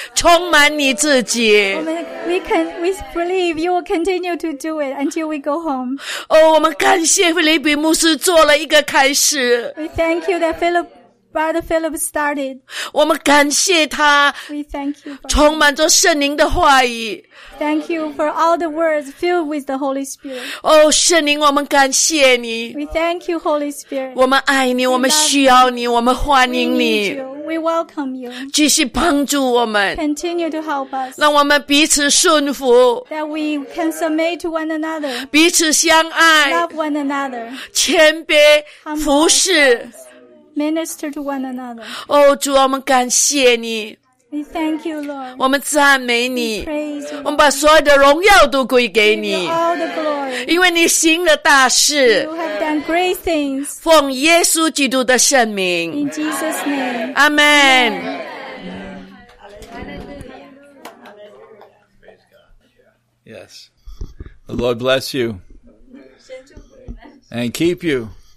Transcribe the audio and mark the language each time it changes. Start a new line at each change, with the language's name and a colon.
Chinese: 我们相信你会继续做，继续做，做到我们回去充满你自己。
English: We believe you will continue to do it until we go home.
Chinese: 哦，我们感谢菲利比牧师做了一个开始。
English: We thank you that Brother Philip started.
Chinese: 我们感谢他。
English: We thank you.
Chinese: 充满着圣灵的话语。
English: Thank you for all the words filled with the Holy Spirit.
Chinese: Oh, 圣灵，我们感谢你。
English: We thank you, Holy Spirit.
Chinese: 我们爱你，我们需要你，我们欢迎你。
English: We welcome you.
Chinese: 继续帮助我们。
English: Continue to help us.
Chinese: 让我们彼此顺服。
English: That we can submit to one another.
Chinese: 彼此相爱。
English: Love one another.
Chinese: 谦卑服侍。
English: Minister to one another.
Chinese: Oh, 主啊，我们感谢你。
English: We thank you, Lord.
Chinese: 我们赞美你。
English: We praise you.
Chinese: 我们把所有的荣耀都归给你。
English: We give you all the glory.
Chinese: 因为你行了大事。
English: You have done great things.
Chinese: 奉耶稣基督的圣名。
English: In Jesus' name. Amen. Yes. The Lord bless you. And keep you.